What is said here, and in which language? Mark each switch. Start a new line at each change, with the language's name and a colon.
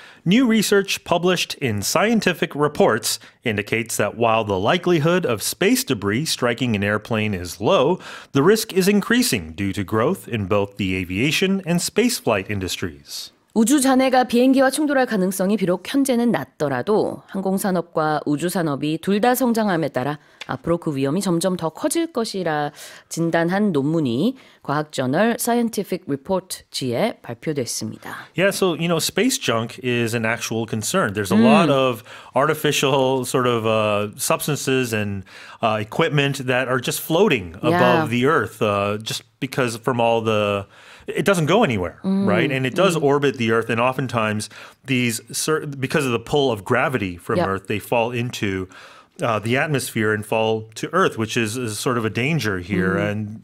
English: New research published in Scientific Reports indicates that while the likelihood of space debris striking an airplane is low, the risk is increasing due to growth in both the aviation and spaceflight industries.
Korean: 우주 잔해가 비행기와 충돌할 가능성이 비록 현재는 낮더라도 항공산업과 우주산업이 둘 다 성장함에 따라 앞으로 그 위험이 점점 더 커질 것이라 진단한 논문이 과학 저널 Scientific Reports에 발표됐습니다.
English: Yeah, so you know, space junk is an actual concern. There's a lot of artificial sort of substances and equipment that are just floating above the earth just because from all the It doesn't go anywhere, right? And it does orbit the Earth, and oftentimes these, because of the pull of gravity from Earth, they fall into the atmosphere and fall to Earth, which is sort of a danger here. Mm.